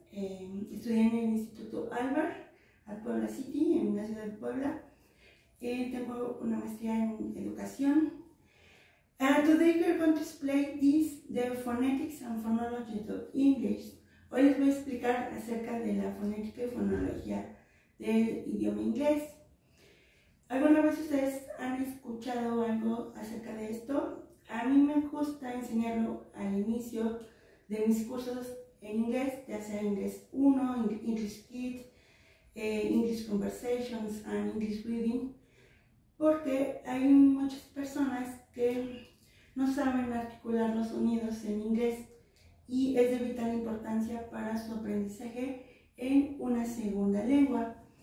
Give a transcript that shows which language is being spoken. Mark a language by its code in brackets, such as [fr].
[es] Estudié en el Instituto Alvar, [en] at Puebla City, [es] en la ciudad de Puebla. Tengo una maestría en educación. [en] Today we're going to explain this, the phonetics and phonology of English. [es] Hoy les voy a explicar acerca de la fonética y fonología del idioma inglés. ¿Alguna vez ustedes han escuchado algo acerca de esto? A mí me gusta enseñarlo al inicio de mis cursos en inglés, ya sea inglés 1, English Kid, English Conversations and English Reading, porque hay muchas personas que no saben articular los sonidos en inglés y es de vital importancia para su aprendizaje en una segunda lengua.